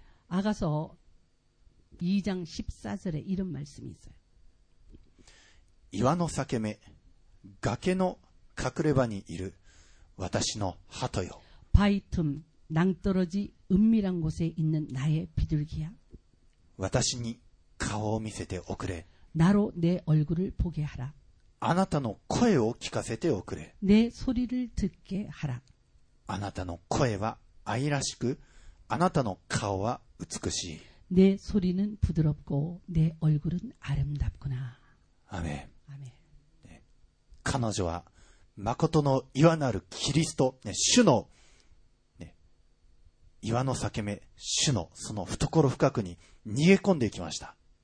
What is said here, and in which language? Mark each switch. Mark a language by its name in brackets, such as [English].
[Korean] アガソ2장14절에이런말씀이있어요 [Japanese] 岩の裂け目崖の隠れ場にいる私の鳩よ [Korean] 바위틈낭떠러지은밀한곳에있는나의비둘기야 [Japanese] 私に顔を見せておくれ [Korean] 나로내얼굴을보게하라 [Japanese] あなたの声を聞かせておくれ [Korean] 내소리를듣게하라 [Japanese] あなたの声は愛らしくあなたの顔は美しい [Korean] 내소리는부드럽고내얼굴은아름답구나 아멘 아멘네 [Japanese] 彼女は誠の岩なるキリスト、ね、主の、ね、岩の裂け目主のその懐深くに逃げ込んでいきました